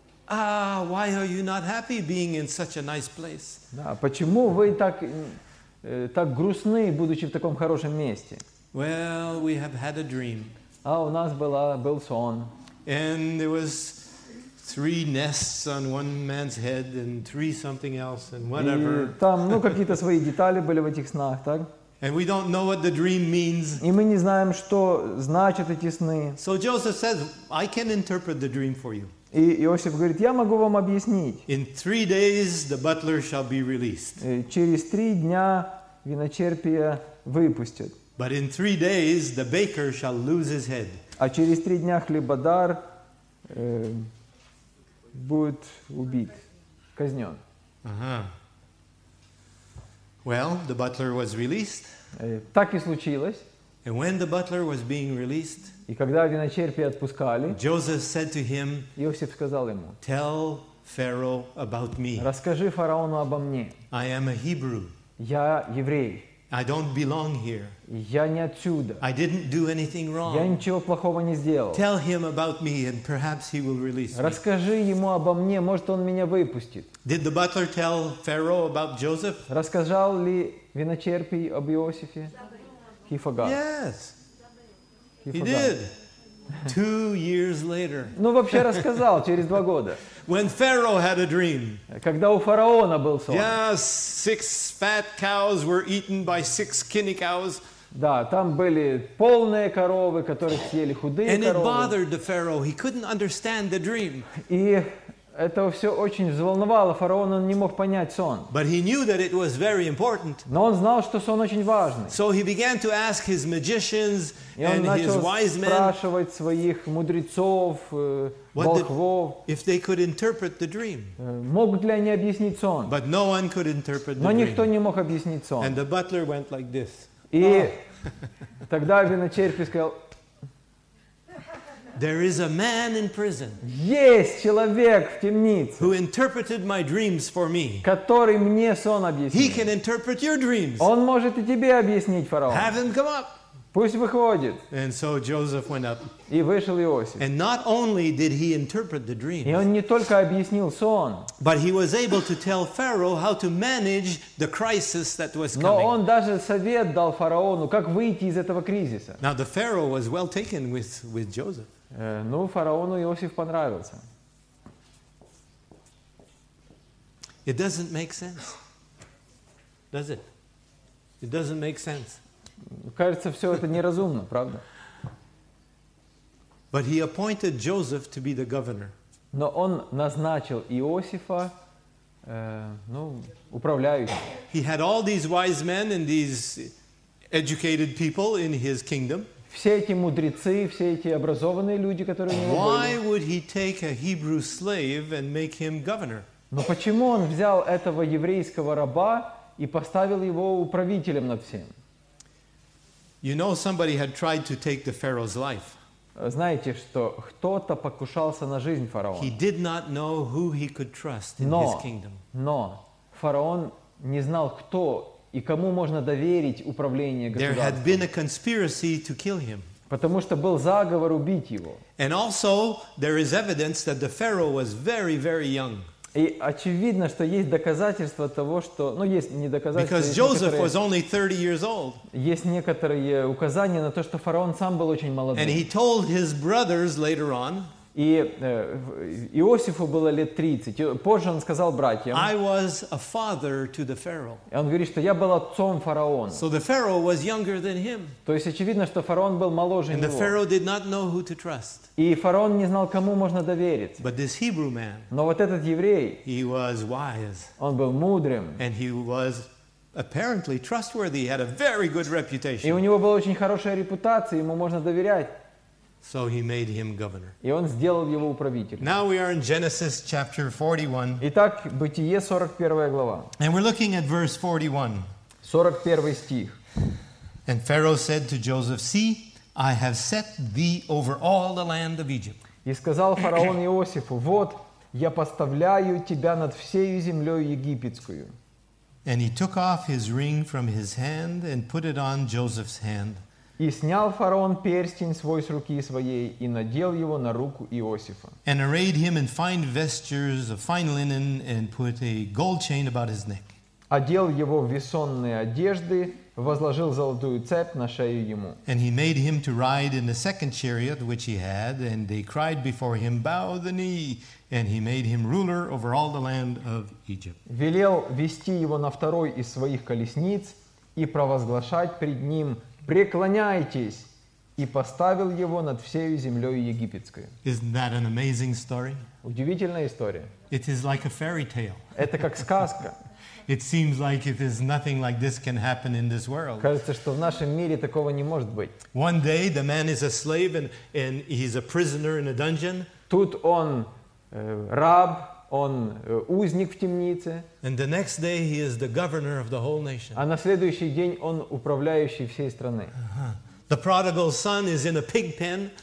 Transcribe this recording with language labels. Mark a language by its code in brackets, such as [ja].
[en] Ah, why are you not happy being in such a nice place? [ru] Да, почему вы так грустны, будучи в таком хорошем месте? [en] Well, we have had a dream. [ru] А у нас был сон. [en] And there was three nests on one man's head and three something else and whatever. [ru] И там, ну, какие-то свои детали были в этих снах, так? [en] And we don't know what the dream means. [ru] И мы не знаем, что значат эти сны. [en] So Joseph says, I can interpret the dream for you. [ru] И Иосиф говорит, я могу вам объяснить. [en] In 3 days, the butler shall be released. [ru] Через 3 дня виночерпие выпустят. [en] But in 3 days, the baker shall lose his head. [ru] А через 3 дня хлебодар будет убит, казнен. [en] Well, the butler was released. [ru] Так и случилось. [en] And when the butler was being released, [ru] и когда виночерпие отпускали, [en] Joseph said to him, [ru] Иосиф сказал ему, [en] tell Pharaoh about me. [ru] Расскажи фараону обо мне. [en] I am a Hebrew. [ru] Я еврей. [en] I don't belong here. [ru] Я не отсюда. [en] I didn't do anything wrong. [ru] Я ничего плохого не сделал. [en] Tell him about me and perhaps he will release me. [ru] Расскажи ему обо мне, может он меня выпустит. [en] Did the butler tell Pharaoh about Joseph? [ru] Рассказал ли виночерпий об Иосифе? [en] He forgot. Yes. He did. 2 years later. [ru] Ну вообще рассказал через 2 года. [en] When Pharaoh had a dream. [ru] Когда у фараона был сон. [en] Yes, 6 fat cows were eaten by 6 skinny cows. [ru] Да, там были полные коровы, которых съели худые [en] and [ru] коровы. [en] And it bothered the Pharaoh. He couldn't understand the dream. [ru] И Это все очень взволновало фараона, он не мог понять сон. [en] But he knew that it was very important. [ru] Но он знал, что сон очень важный. [en] So he began to ask his magicians and his wise men. [ru] И он начал спрашивать своих мудрецов, волхвов, [en] if they could interpret the dream. [ru] Могут ли они объяснить сон? [en] But no one could interpret the [ru] dream. Но никто не мог объяснить сон. [en] And the butler went like this. [ru] И тогда виночерпий сказал: [en] There is a man in prison. [ru] Есть человек в темнице. [en] Who interpreted my dreams for me? [ru] Который мне сон объяснил. [en] He can interpret your dreams. [ru] Он может и тебе объяснить, фараон. [en] Have him come up. [ru] Пусть выходит. [en] And so Joseph went up. [ru] И вышел Иосиф. [en] And not only did he interpret the dreams. [ru] И он не только объяснил сон. [en] But he was able to tell Pharaoh how to manage the crisis that was coming. [ru] Но он даже совет дал фараону, как выйти из этого кризиса. [en] Now the Pharaoh was well taken with Joseph. [ru] Ну, фараону Иосиф понравился. [en] It doesn't make sense. Does it? It doesn't make sense. [ru] Кажется, все это неразумно, правда? [en] But he appointed Joseph to be the governor. [ru] Но он назначил Иосифа, управляющим. [en] He had all these wise men and these educated people in his kingdom. [ru] Все эти мудрецы, все эти образованные люди, которые у него были. [en] Why would he take a Hebrew slave and make him governor? [ru] Но почему он взял этого еврейского раба и поставил его управителем над всем? [en] You know, somebody had tried to take the Pharaoh's life. [ru] Знаете, что кто-то покушался на жизнь фараона. [en] He did not know who he could trust in his kingdom. [ru] Но фараон не знал, кто и кому можно доверить управление государством. [en] There had been a conspiracy to kill him. [ru] Потому что был заговор убить его. [en] And also, there is evidence that the Pharaoh was very, very young. [ru] И очевидно, что есть доказательства того, что... Ну, есть не доказательства, [en] Because Joseph was only 30 years old. [ru] Есть некоторые указания на то, что фараон сам был очень молодым. [en] And he told his brothers later on, [ru] и Иосифу было лет 30. Позже он сказал братьям. [en] I was a father to the Pharaoh. [ru] И он говорит, что я был отцом фараона. [en] So the Pharaoh was younger than him. [ru] То есть очевидно, что фараон был моложе [en] And [ru] него. [en] The Pharaoh did not know who to trust. [ru] И фараон не знал, кому можно довериться. [en] But this Hebrew man, [ru] но вот этот еврей, [en] he was wise. [ru] Он был мудрым. [en] And he was apparently trustworthy. He had a very good reputation. [ru] И у него была очень хорошая репутация, ему можно доверять. [en] So he made him governor. [ru] И он сделал его управителем. [en] Now we are in Genesis chapter 41. [ru] Итак, Бытие 41 глава. [en] And we're looking at verse 41. [ru] 41 стих. [en] And Pharaoh said to Joseph, "See, I have set thee over all the land of Egypt." [ru] И сказал фараон Иосифу: "Вот, я поставляю тебя над всею землёю египетскую." [en] And he took off his ring from his hand and put it on Joseph's hand. [ru] И снял фараон перстень свой с руки своей и надел его на руку Иосифа. [en] And arrayed him in fine vestures of fine linen and put a gold chain about his neck. [ru] Одел его в весонные одежды, возложил золотую цепь на шею ему. [en] And he made him to ride in the second chariot which he had, and they cried before him, bow the knee, and he made him ruler over all the land of Egypt. [ru] Велел вести его на второй из своих колесниц и провозглашать пред ним: преклоняйтесь, и поставил его над всею землей египетской. [en] Isn't that an amazing story? [ru] Удивительная история. [en] It is like a fairy tale. [ru] Это как сказка. [en] It seems like it is nothing like this can happen in this world. [ru] Кажется, что в нашем мире такого не может быть. [en] One day the man is a slave and he's a prisoner in a dungeon. [ru] Тут он раб. Он узник в темнице. [en] And the next day he is the governor of the whole nation. [ru] А на следующий день он управляющий всей страны. Uh-huh. [en] The prodigal son is in a pig pen.